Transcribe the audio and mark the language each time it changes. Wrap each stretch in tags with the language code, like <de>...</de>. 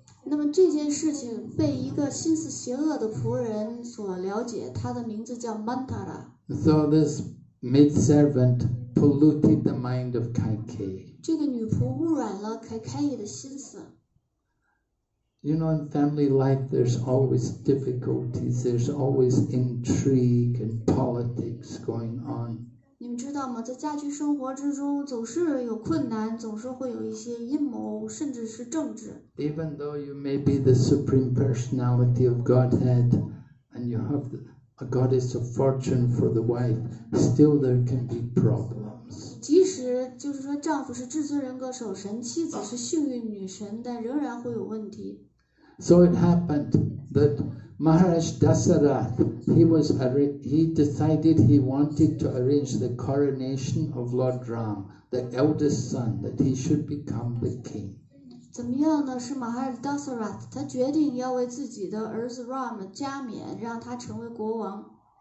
<zh>那么这件事情被一个心思邪恶的仆人所了解，他的名字叫 Mantara.</zh> <en>So this maidservant polluted the mind of Kaikeyi.</en> <zh>这个女仆污染了 Kaikeyi 的心思。</zh> <en>You know, in family life, there's always difficulties. There's always intrigue and politics going on.</en> <zh>你们知道吗？在家居生活之中，总是有困难，总是会有一些阴谋，甚至是政治。</zh> <en>Even though you may be the supreme personality of Godhead, and you have a goddess of fortune for the wife, still there can be problems.</en> <zh>即使就是说，丈夫是至尊人格守神，妻子是幸运女神，但仍然会有问题。</zh> <en>So it happened that. Maharaj Dasarath, he decided he wanted to arrange the coronation of Lord Ram, the eldest son, that he should become the king.</en> <zh>怎么样呢？是 Maharaj Dasarath, 他决定要为自己的儿子 Ram 加冕，让他成为国王。</zh>